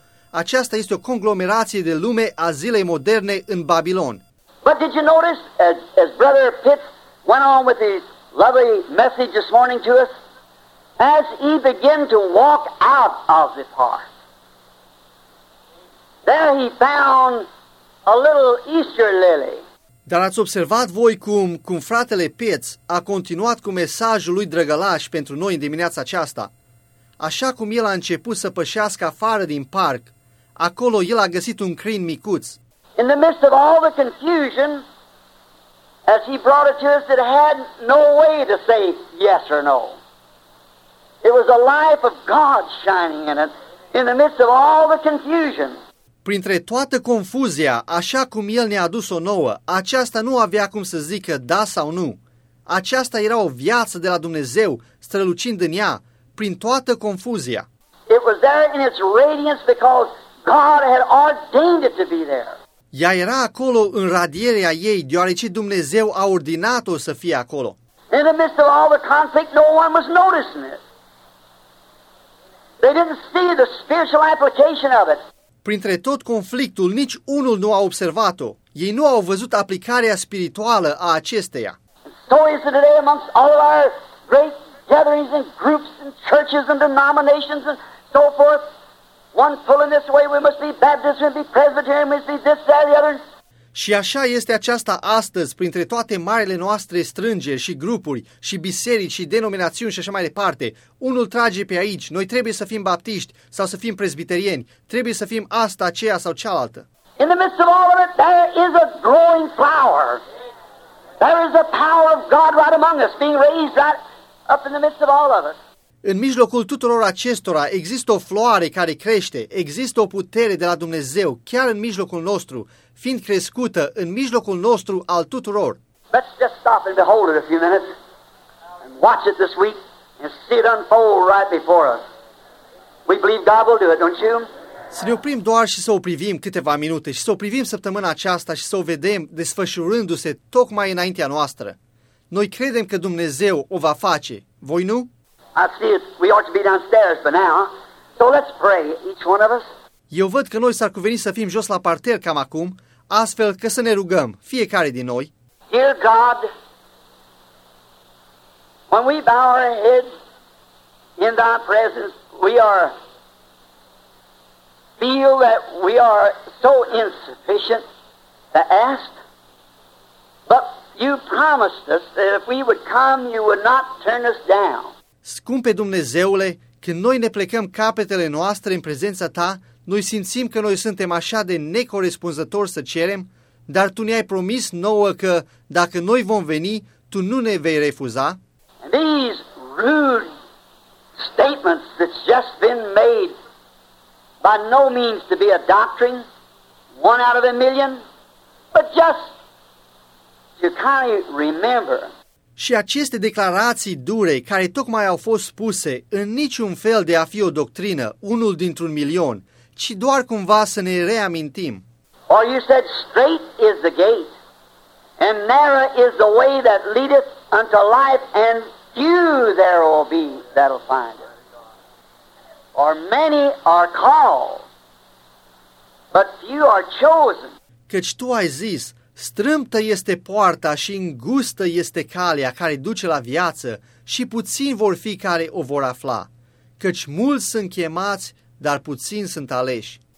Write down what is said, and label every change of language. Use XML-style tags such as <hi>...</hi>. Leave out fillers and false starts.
<ro>Aceasta este o conglomerație de lume a zilei moderne în Babilon.</ro> <en>But did you notice, as Brother Pitts went on with his lovely message this morning to us, as he began to walk out of the park, there he found a little Easter lily.</en> <ro>Dar ați observat voi cum fratele Pitts a continuat cu mesajul lui drăgălaș pentru noi în dimineața aceasta? Așa cum el a început să pășească afară din parc, acolo el a găsit un crin micuț.</ro> <en>In the midst of all the confusion, as he brought it to us, it had no way to say yes or no. It was a life of God shining in it, in the midst of all the confusion.</en> <ro>Printre toată confuzia, așa cum el ne-a adus-o nouă, aceasta nu avea cum să zică da sau nu. Aceasta era o viață de la Dumnezeu, strălucind în ea, prin toată confuzia.</ro> <en>It was there in its radiance because God had ordained it to be there.</en> <ro>Ea era acolo în radierea ei, deoarece Dumnezeu a ordinat-o să fie acolo.</ro> <en>In the midst of all the conflict, no one was noticing it. They didn't see the spiritual application of it.</en> <ro>Printre tot conflictul, nici unul nu a observat-o. Ei nu au văzut aplicarea spirituală a acesteia.</ro> <en>So is it today amongst all of our great gatherings and groups and churches and denominations and so forth. One pulling this way, we must be Baptist, we must be Presbyterian, we must be this, that, the other.</en> <ro>Și așa este aceasta astăzi, printre toate marile noastre strângeri și grupuri și biserici și denominațiuni și așa mai departe. Unul trage pe aici, noi trebuie să fim baptiști sau să fim presbiterieni, trebuie să fim asta, aceea sau cealaltă.</ro> <en>In the midst of all of it, there is a growing flower. There is a power of God right among us, being raised right up in the midst of all of it.</en> <ro>În mijlocul tuturor acestora există o floare care crește, există o putere de la Dumnezeu chiar în mijlocul nostru, fiind crescută în mijlocul nostru al tuturor.</ro> <en>Let's just stop and behold it a few minutes and watch it this week and see it unfold right before us. We believe God will do it, don't you?</en> <ro>Să ne oprim doar și să o privim câteva minute și să o privim săptămâna aceasta și să o vedem desfășurându-se tocmai înaintea noastră. Noi credem că Dumnezeu o va face. Voi nu?</ro> <en>I see it. We ought to be downstairs by now. So let's pray, each one of us.</en> <ro>Eu văd că noi s-ar cuveni să fim jos la parter cam acum, astfel că să ne rugăm, fiecare din noi.</ro> <en>Dear God, when we bow our heads in thy presence, we are feel that we are so insufficient to ask. But you promised us that if we would come, you would not turn us down.</en> <ro>Scumpe Dumnezeule, când noi ne plecăm capetele noastre în prezența Ta, noi simțim că noi suntem așa de necorespunzători să cerem, dar Tu ne-ai promis nouă că dacă noi vom veni, Tu nu ne vei refuza.</ro> <en>These rude statements that's just been made by no means to be a doctrine, one out of a million, but just to kind of remember.</en> <ro>Și aceste declarații dure care tocmai au fost spuse în niciun fel de a fi o doctrină, unul dintr-un milion, ci doar cumva să ne reamintim.</ro> <en>Or you said, straight is the gate, and narrow is the way that leadeth unto life, and few there will be that'll find it. For many are called, but few are chosen.</en> <ro>Căci tu ai zis, strâmtă este poarta și îngustă este calea care duce la viață și puțini vor fi care o vor afla, căci mulți sunt chemați, dar puțini sunt aleși.</ro>